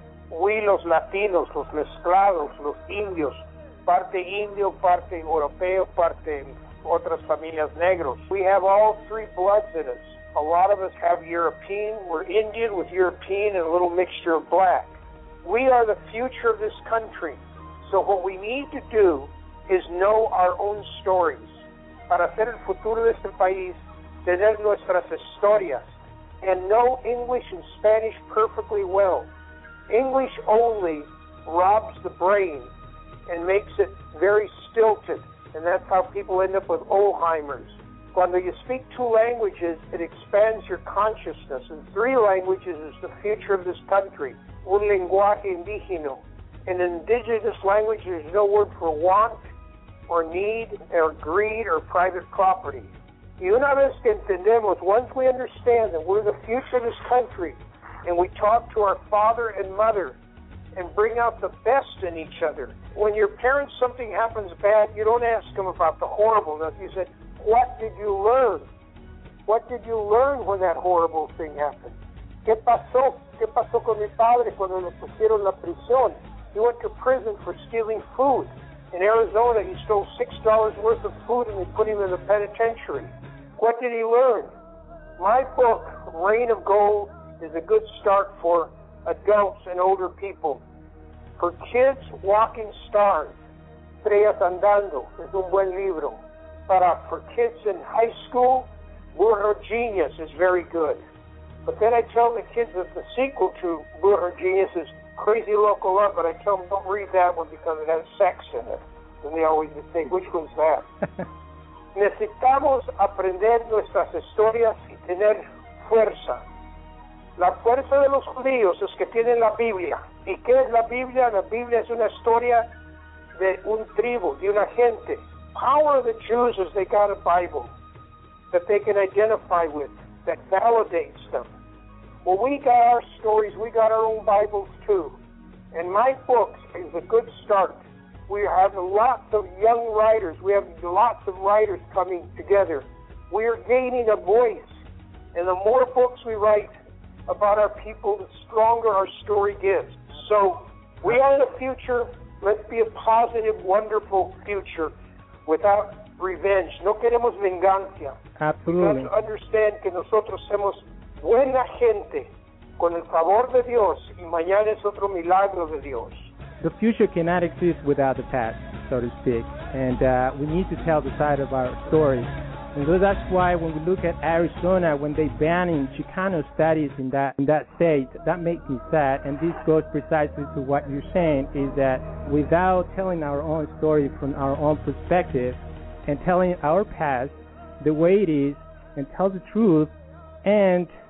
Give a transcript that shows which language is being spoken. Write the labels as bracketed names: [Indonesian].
[Spanish] We, los latinos, los mezclados, los indios, parte indio, parte europeo, parte otras familias negros. [English] We have all three bloods in us. A lot of us have European. We're Indian with European and a little mixture of black. We are the future of this country. So what we need to do is know our own stories. [Spanish] Para hacer el futuro de este país, tener nuestras historias. [English] And know English and Spanish perfectly well. English only robs the brain and makes it very stilted. And that's how people end up with Alzheimer's. Cuando you speak two languages, it expands your consciousness. And three languages is the future of this country. [Spanish] Un lenguaje indígena. [English] In indigenous language, there's no word for want or need or greed or private property. [Spanish] Y una vez que entendemos, [English] once we understand that we're the future of this country, and we talk to our father and mother and bring out the best in each other. When your parents, something happens bad, you don't ask them about the horrible. No, you said, what did you learn? What did you learn when that horrible thing happened? [Spanish] ¿Qué pasó? ¿Qué pasó con mi padre cuando lo pusieron en la prisión? [English] He went to prison for stealing food. In Arizona, he stole $6 worth of food and they put him in the penitentiary. What did he learn? My book, Rain of Gold, is a good start for adults and older people. For kids, Walking Stars, Estrellas Andando, is [Spanish] un buen libro. [English] But for kids in high school, Burro Genius is very good. But then I tell the kids that the sequel to Burro Genius is Crazy Local Love, but I tell them don't read that one because it has sex in it. And they always think, which one's that? [Spanish] Necesitamos aprender nuestras historias y tener fuerza. La fuerza de los judíos es que tienen la Biblia. ¿Y qué es la Biblia? La Biblia es una historia de un tribu, de una gente. [English] Power of the Jews is they got a Bible that they can identify with, that validates them. Well, we got our stories, we got our own Bibles too. And my book is a good start. We have lots of young writers. We have lots of writers coming together. We are gaining a voice. And the more books we write about our people, the stronger our story gets. So we are the future. Let's be a positive, wonderful future without revenge. [Spanish] No queremos venganza. [English] Absolutely. We have to understand [Spanish] que nosotros somos buena gente con el favor de Dios y mañana es otro milagro de Dios. [English] The future cannot exist without the past, so to speak. And we need to tell the side of our story. And so that's why when we look at Arizona, when they banning Chicano studies in that state, that makes me sad. And this goes precisely to what you're saying, is that without telling our own story from our own perspective and telling our past the way it is and tell the truth and